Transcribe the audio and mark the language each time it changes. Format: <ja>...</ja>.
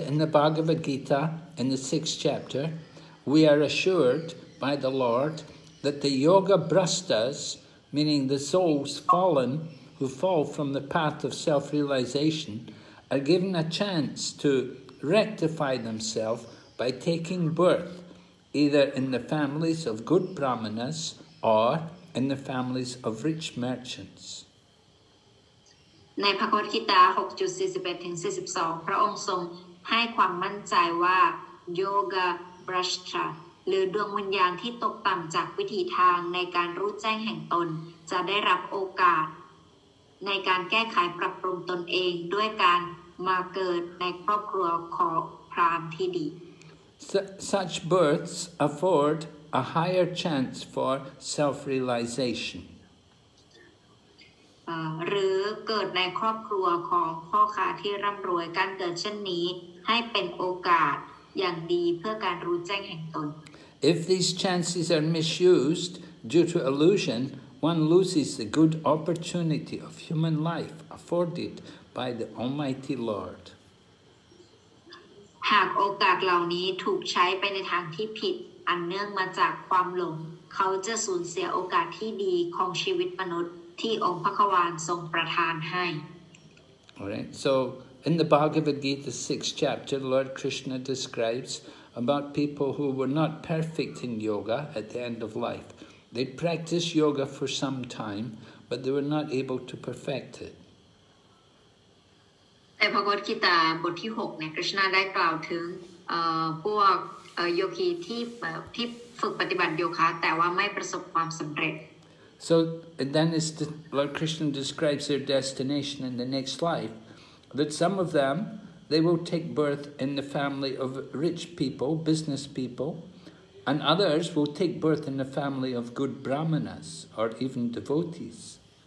<en>In the Bhagavad Gita, in the 6th chapter, we are assured by the Lord that the yoga brastas, meaning the souls fallen who fall from the path of self-realization, are given a chance to rectify themselves by taking birth, either in the families of good brahmanas or in the families of rich merchants.</en> <th>ในพระคัมภีร์กีตา 6.41 ถึง 42 พระองค์ทรงให้ความมั่นใจว่าโยกะบรัชชาหรือดวงวิญญาณที่ตกต่ำจากวิถีทางในการรู้แจ้งแห่งตนจะได้รับโอกาสในการแก้ไขปรับปรุงตนเองด้วยการมาเกิดในครอบครัวของพราหมณ์ที่ดี</th> <en>Such births afford a higher chance for self-realization.</en> <th>หรือเกิดในครอบครัวของพ่อค้าที่ร่ำรวยการเกิดเช่นนี้ให้เป็นโอกาสอย่างดีเพื่อการรู้แจ้งแห่งตน</th> <en>If these chances are misused due to illusion, one loses the good opportunity of human life afforded by the Almighty Lord.</en> <th>หากโอกาสเหล่านี้ถูกใช้ไปในทางที่ผิดอันเนื่องมาจากความหลงเขาจะสูญเสียโอกาสที่ดีของชีวิตมนุษย์</th> <en>All right, so in the Bhagavad Gita 6th chapter, Lord Krishna describes about people who were not perfect in yoga at the end of life. They practiced yoga for some time, but they were not able to perfect it.</en> <th>In Bhagavad Gita, บทที่ 6, Krishna ได้กล่าวถึงพวกโยคีที่ฝึกปฏิบัติโยคะแต่ว่าไม่ประสบความสำเร็จ</th> <en>So, and then Lord Krishna describes their destination in the next life, that some of them, they will take birth in the family of rich people, business people, and others will take birth in the family of good brahmanas, or even devotees.</en>